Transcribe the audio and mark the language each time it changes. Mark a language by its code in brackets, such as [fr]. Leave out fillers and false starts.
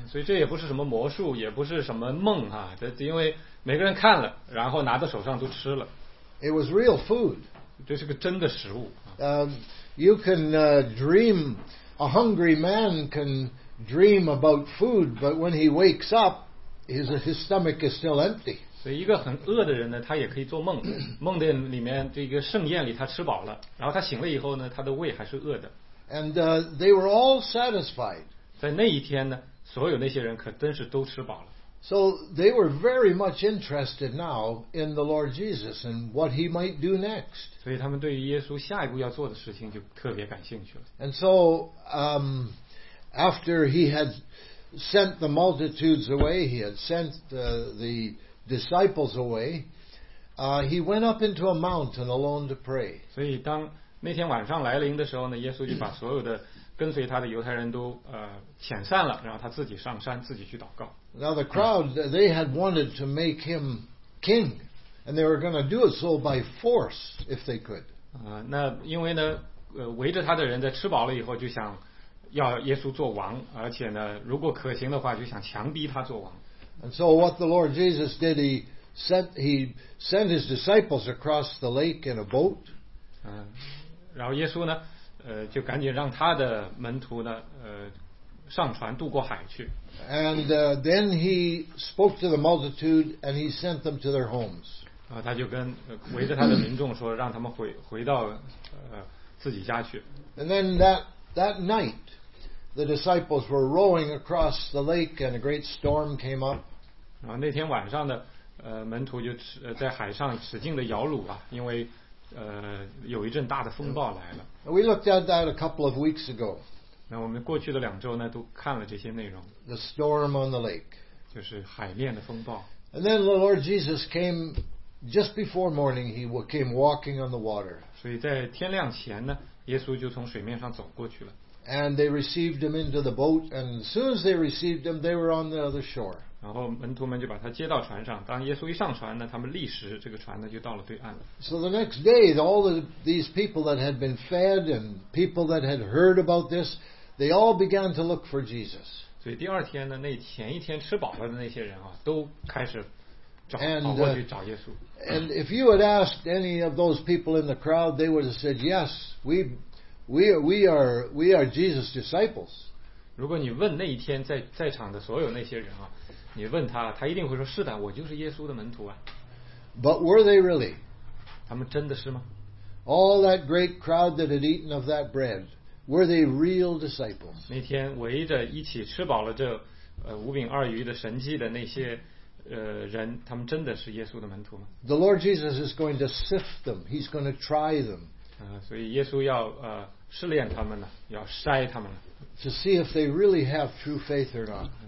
[zh] 所以这也不是什么魔术，也不是什么梦啊，这因为每个人看了，然后拿到手上都吃了。 [en] It was real food. [zh] 这是个真的食物。 [en] You can dream, a hungry man can dream about food, but when he wakes up, his stomach is still empty. [zh] 所以一个很饿的人呢，他也可以做梦，梦的里面这个盛宴里他吃饱了，然后他醒了以后呢，他的胃还是饿的。 [en] And they were all satisfied. [zh] 在那一天呢，所有那些人可真是都吃饱了。 [en] So they were very much interested now in the Lord Jesus and what he might do next. [zh] 所以他们对于耶稣下一步要做的事情就特别感兴趣了。 [en] And so, after he had sent the multitudes away, he had sent the disciples away, he went up into a mountain alone to pray. [zh] 所以当那天晚上来临的时候呢，耶稣就把所有的跟随他的犹太人都遣散了，然后他自己上山自己去祷告。 [en] Now the crowd, they had wanted to make him king, and they were going to do it so by force if they could. [zh] 那因为呢，围着他的人在吃饱了以后就想要耶稣做王，而且呢，如果可行的话就想强逼他做王。 [en] And so what the Lord Jesus did, he sent his disciples across the lake in a boat. [zh] 然后耶稣呢，就赶紧让他的门徒呢，上船渡过海去。 [en] And then he spoke to the multitude and he sent them to their homes. [zh] 他就跟围着他的民众说，让他们回到自己家去。 [en] And then that night, the disciples were rowing across the lake and a great storm came up. [zh] 然后那天晚上的门徒就在海上使劲的摇橹啊，因为有一阵大的风暴来了。 [en] We looked at that a couple of weeks ago. [zh] 那我们过去的两周呢，都看了这些内容。 [en] The storm on the lake. [zh] 就是海面的风暴。 [en] And then the Lord Jesus came just before morning. He came walking on the water. [zh] 所以在天亮前呢，耶稣就从水面上走过去了。 [en] And they received him into the boat. And as soon as they received him, they were on the other shore. [zh] 然后门徒们就把他接到船上。当耶稣一上船呢，他们立时这个船呢就到了对岸。 [en] So the next day, all of these people that had been fed and people that had heard about this, they all began to look for Jesus. [zh] 所以第二天呢，那前一天吃饱了的那些人啊，都开始跑过去找耶稣。 [en] And if you had asked any of those people in the crowd, they would have said, "Yes, we are Jesus' disciples." [zh] 如果你问那一天在场的所有那些人啊，你问他，他一定会说，是的，我就是耶稣的门徒啊。 [en] But were they really? [zh] 他们真的是吗？ [en] All that great crowd that had eaten of that bread, were they real disciples? [zh] 那天围着一起吃饱了这五饼二鱼的神迹的那些人，他们真的是耶稣的门徒吗？ [en] The Lord Jesus is going to sift them. He's going to try them. [zh] 所以耶稣要试炼他们了，要筛他们了。 [en] To see if they really have true faith or not.